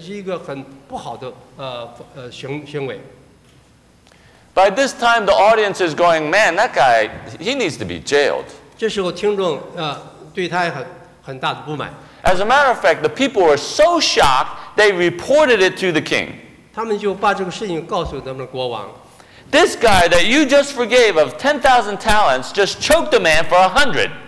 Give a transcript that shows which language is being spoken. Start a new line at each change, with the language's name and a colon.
Chinese: 就是对一个我们自己人是一个很不好的行为。
English: By this time, the audience is going, man, that guy, he needs to be jailed.
Chinese: 这时候听众对他很大的不满。
English: As a matter of fact, the people were so shocked, they reported it to the king.
Chinese: 他们就把这个事情告诉他们的国王。
English: This guy that you just forgave of 10,000 talents just choked a man for 100.